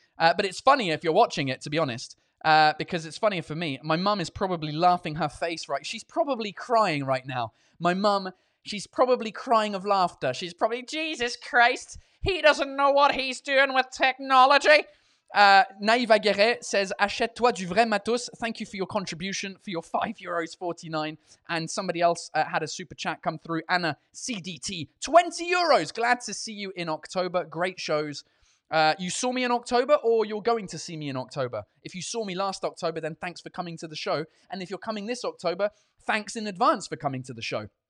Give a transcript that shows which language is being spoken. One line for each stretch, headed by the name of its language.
English: But it's funnier if you're watching it, to be honest. Because it's funnier for me. My mum is probably laughing her face right. She's probably crying right now. My mum, she's probably crying of laughter. She's probably, Jesus Christ, he doesn't know what he's doing with technology.
French: Naïve Aguirre
English: says,
French: achète-toi du vrai matos.
English: Thank you for your contribution for your €5.49. And somebody else had a super chat come through. Anna CDT, €20. Glad to see you in October. Great shows. You saw me in October or you're going to see me in October? If you saw me last October, then thanks for coming to the show. And if you're coming this October, thanks in advance for coming to the show.